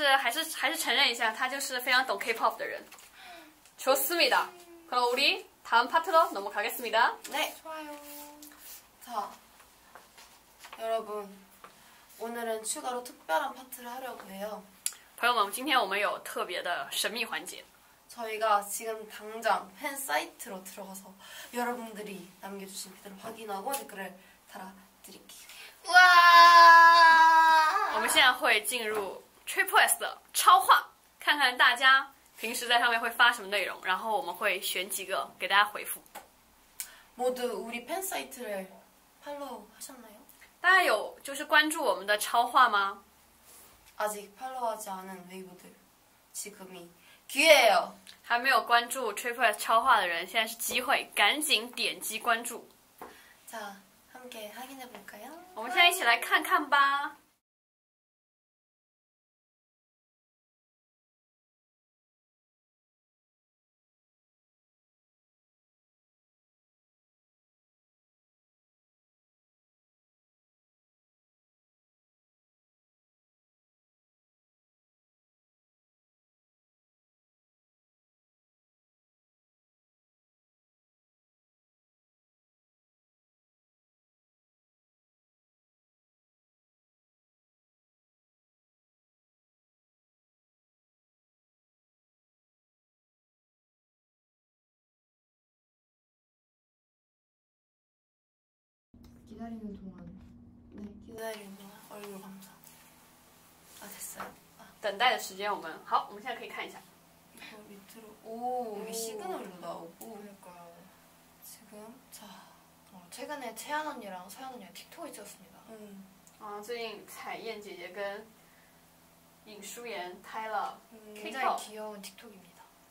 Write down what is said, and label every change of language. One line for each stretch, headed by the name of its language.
Korean: 인정하겠습니다.
Chinese: 虽然虽然不想承认，但是还是承认一下，他就是非常懂 K-pop 的人.
Korean: 좋습니다. 그럼 우리 다음 파트로 넘어가겠습니다. 네, 좋아요. 자, 여러분 오늘은 추가로 특별한 파트를 하려고 해요.
Chinese: 朋友们，今天我们有特别的神秘环节。
Korean: 저희가 지금 당장 팬 사이트로 들어가서 여러분들이 남겨주신 댓글 확인하고 댓글을 달아드릴게요. 와!
Chinese: 我们现在会进入 tripleS 的超话，看看大家平时在上面会发什么内容，然后我们会选几个给大家回复。
Korean: 모두 우리 팬 사이트를 팔로우하셨나요?
Chinese: 大家有就是关注我们的超话吗？
Korean: 아직 팔로우하지 않은 웨이브들 지금이 기회예요.
Chinese: 还没有关注 tripleS 超话的人，现在是机会，赶紧点击关注。
Korean: 자, 함께 확인해 볼까요?
Chinese: 我们现在一起来看看吧。
Korean: 기다리는 동안 네 기다리는 동안 얼굴 감사 아 됐어요
Chinese: 等待的时间我们好我们现在可以看一下
Korean: 밑으로 오 여기 시그널도 나오고 그러니까요 지금 자 최근에 채연 언니랑 서연 언니가 틱톡에 찍었습니다 아 최근
Chinese: 채연 언니跟 尹淑妍拍了
Korean: 굉장히 귀여운 틱톡입니다